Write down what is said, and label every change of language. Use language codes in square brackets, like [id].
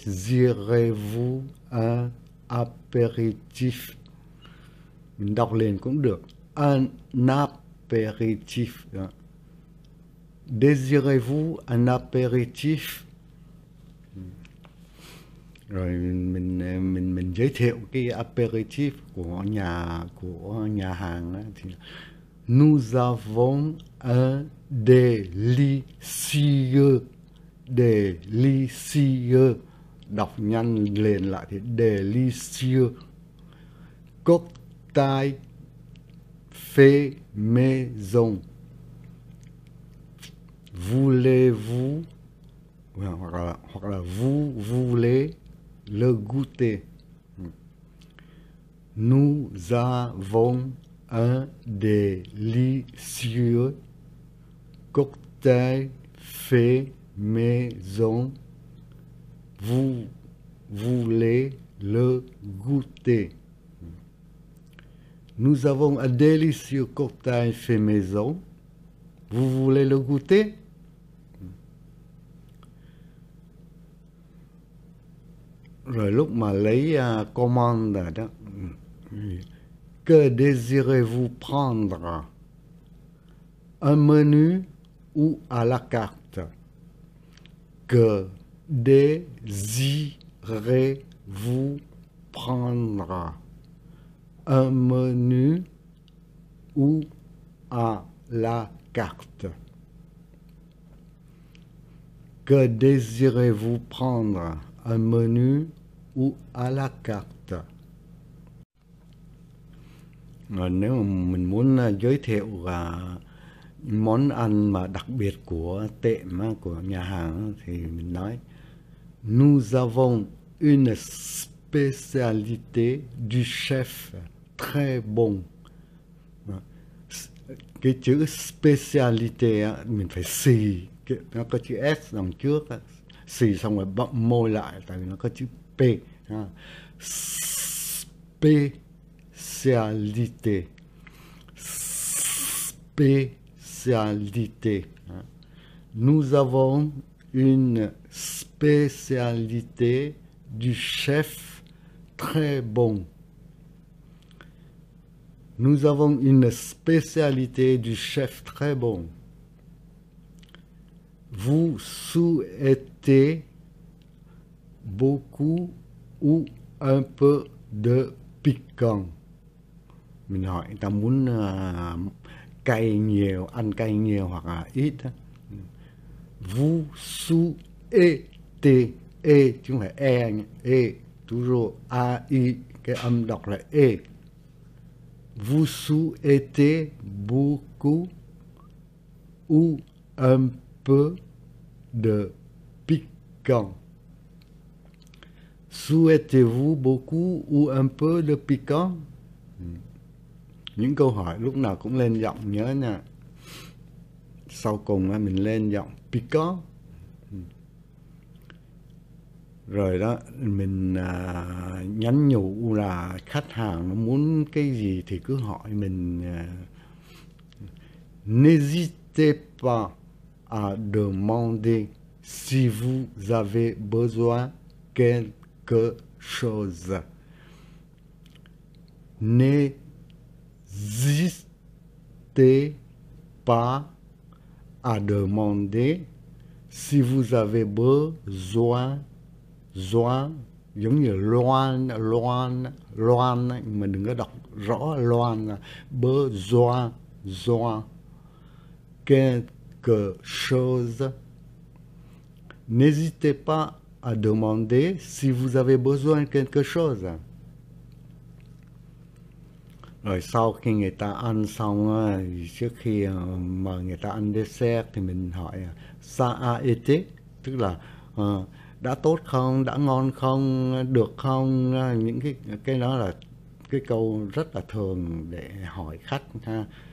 [fr] Désirez-vous un apéritif? [vi] Mình đọc liền cũng được. [fr] Un apéritif. Désirez-vous un apéritif? [vi] Rồi mình giới thiệu cái apéritif của nhà hàng đó, thì [fr] nous avons un délicieux, délicieux, [vi] đọc nhanh liền lại thì [fr] délicieux cocktail fait maison. Voulez-vous, [vi] hoặc là [fr] vous voulez le goûter? Nous avons un délicieux cocktail fait maison. Vous voulez le goûter? Nous avons un délicieux cocktail fait maison. Vous voulez le goûter? [vi] Rồi lúc mà lấy commande rồi đó. [fr] Que désirez-vous prendre? Un menu ou à la carte? Que désirez-vous prendre? Un menu ou à la carte? Que désirez-vous prendre? Un menu ou à la carte? [vi] Nếu mà mình muốn giới thiệu món ăn mà đặc biệt của tiệm của nhà hàng thì mình nói [fr] nous avons une spécialité du chef très bon. [vi] Cái chữ spécialité mình phải xì, nó có chữ S đằng trước, xì xong rồi bậm môi lại tại vì nó có chữ P. [fr] Spécialité, spécialité. Nous avons une spécialité du chef très bon. Nous avons une spécialité du chef très bon. Vous souhaitez beaucoup ou un peu de piquant? [vi] Mình hỏi người ta muốn cay nhiều, ăn cay nhiều hoặc là ít. Vous sous et t e chứ không phải e nhé. E toujours a i cái âm đọc là e. [fr] Vous sous et t beaucoup ou un peu de piquant. Souhaitez-vous beaucoup ou un peu de piquant? [vi] Những câu hỏi lúc nào cũng lên giọng nhớ nha. Sau cùng là mình lên giọng piccolo. Rồi đó, mình nhắn nhủ là khách hàng nó muốn cái gì thì cứ hỏi mình. [fr] N'hésitez pas à demander si vous avez besoin quelque chose. N'hésitez pas à demander si vous avez besoin, besoin, [vi] giống như loan, loan, mà đừng có đọc rõ loan, [fr] besoin, besoin, quelque chose. N'hésitez pas à demander si vous avez besoin quelque chose. [vi] Rồi sau khi người ta ăn xong, trước khi mời người ta ăn dessert thì mình hỏi [fr] ça a été, [vi] tức là đã tốt không, đã ngon không, được không, những cái đó là cái câu rất là thường để hỏi khách ha.